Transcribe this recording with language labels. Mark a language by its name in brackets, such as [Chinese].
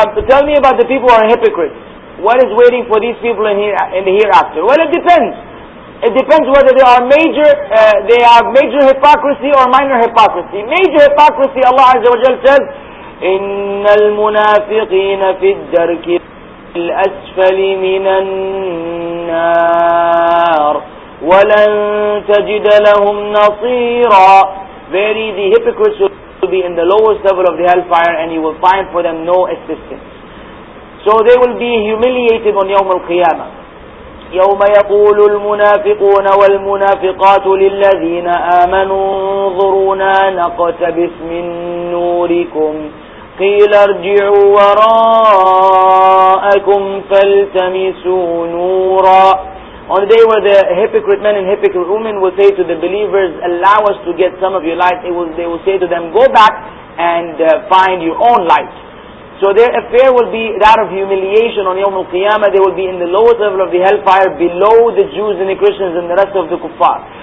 [English] Tell me about the people who are hypocrites. What is waiting for these people in the hereafter? Well, it depends. It depends whether they are major hypocrisy or minor hypocrisy. Major hypocrisy, Allah Azza wa Jalla says, [Arabic] إِنَّ الْمُنَافِقِينَ فِي الدَّرْكِ الْأَسْفَلِ مِنَ النَّارِ وَلَن تَجِدَ لَهُمْ نَصِيرًا. [English] Verily, the hypocrites will be in the lowest level of the hellfire, and you will find for them no assistance. So they will be humiliated on Yawm al-Qiyamah. [Arabic] يوم يقول المنافقون والمنافقات للذين آمنوا انظرونا نقتبس من نوركم قيل ارجعوا وراءكم فالتمسوا نورا. [English] On the day where the hypocrite men and hypocrite women will say to the believers, allow us to get some of your light, they will say to them, go back and find your own light. So their affair will be that of humiliation on Yawm al-Qiyamah. They will be in the lowest level of the hellfire, below the Jews and the Christians and the rest of the kuffar.